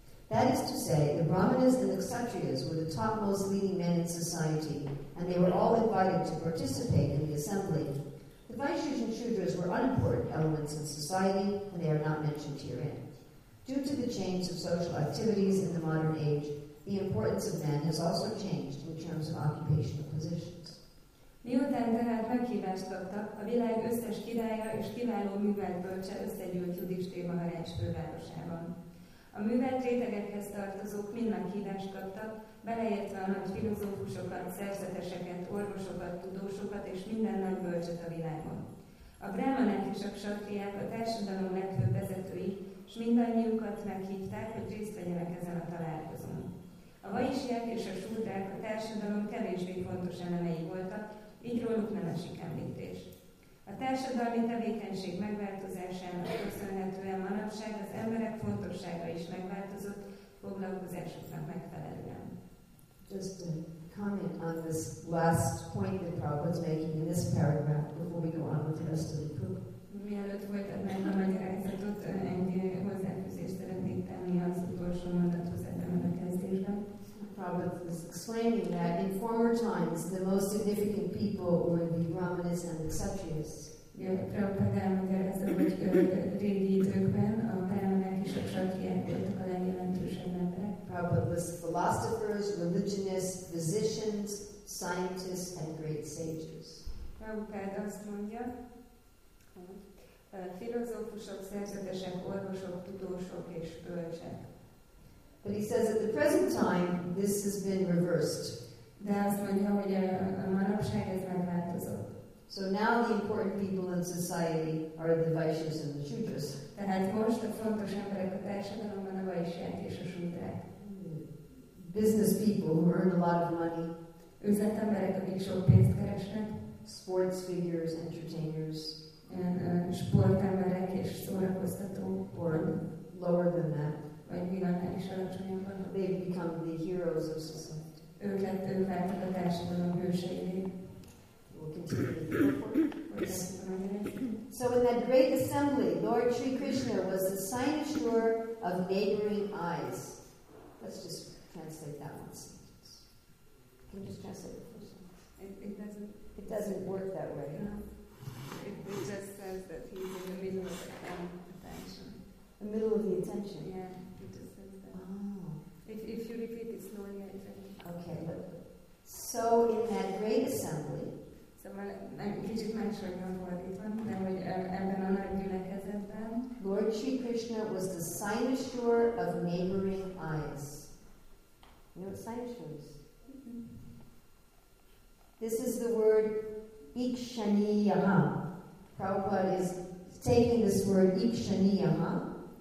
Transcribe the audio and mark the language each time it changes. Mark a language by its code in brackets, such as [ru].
[en] That is to say, the Brahmanas and the Kshatriyas were the topmost leading men in society, and they were all invited to participate in the assembly. The Vaishyas and Shudras were unimportant elements in society, and they are not mentioned herein. Due to the change of social activities in the modern age, the importance of men has also changed in terms of occupational positions. [hu] Miután tehát meghívást kaptak, a világ összes királya és kiváló művelt bölcse összegyűlt Judhisthira Maharadzsa fővárosában. A művelt rétegekhez tartozók mind meghívást kaptak, beleértve a nagy filozófusokat, szerzeteseket, orvosokat, tudósokat és minden nagy bölcset a világon. A brámanák és a ksatriák a társadalom legfőbb vezetői, és mindannyiukat meghívták, hogy részt vegyenek ezen a találkozón. A vaisják és a súdrák a társadalom kevésbé fontos elemei voltak, így róluk nem esik említés. A társadalmi tevékenység megváltozásának köszönhetően manapság az emberek fontossága is megváltozott foglalkozásoknak megfelelően. [en] Just a comment on this last point that Prabhupada's making in this paragraph before we go on with the rest of the group. [hu] Mielőtt folytatnánk a magyarázatot, egy hozzáfűzést szeretnék tenni az utolsó mondathoz ebben a kezdésben. [en] Prabhupada is explaining that in former times the most significant people were the Brahmanas and the Kshatriyas. [hu] Prabhupada elmagyarázza, hogy régi időkben a brahmanák és a kshatriák voltak a legjelentősebb emberek. [en] Prabhupada was philosophers, religionists, physicians, scientists, and great sages. [hu] Prabhupada azt mondja, filozófusok, szerzetesek, orvosok, tudósok és bölcsek. [en] But he says at the present time this has been reversed. [hu] De azt mondja, hogy a manapság ez megváltozott. [en] So now the important people in society are the Vaishyas and the Shudras. [hu] Tehát most a fontos emberek a társadalomban a Vaishyák és a Shudrák. [en] Business people who earn a lot of money. [hu] Üzletemberek, akik sok pénzt keresnek. [en] Sports figures, entertainers. And [hu] sportemberek és szórakoztatók. [en] Or lower than that. [hu] Vagy mivel is alacsonyabban. [en] They become the heroes of society. [hu] Ők lettek a társadalom hőseivé. [en] So in that great assembly, Lord Sri Krishna was the cynosure of neighboring eyes. Let's just translate that one sentence. Can you just translate it for a second? It doesn't work that way. No. It just says that he's in the middle of the attention. The middle of the attention? Yeah, it just says that. Oh. If you repeat it slowly, I think. Okay, but so in that great assembly, [hu] kicsit másra fordítva, de hogy ebben a nagy gyülekezetben. [en] Lord Sri Krishna was the cynosure of neighboring eyes. You know what cynosure is? This is the word ikshaniyaha. Prabhupada is taking this word ikshaniyaha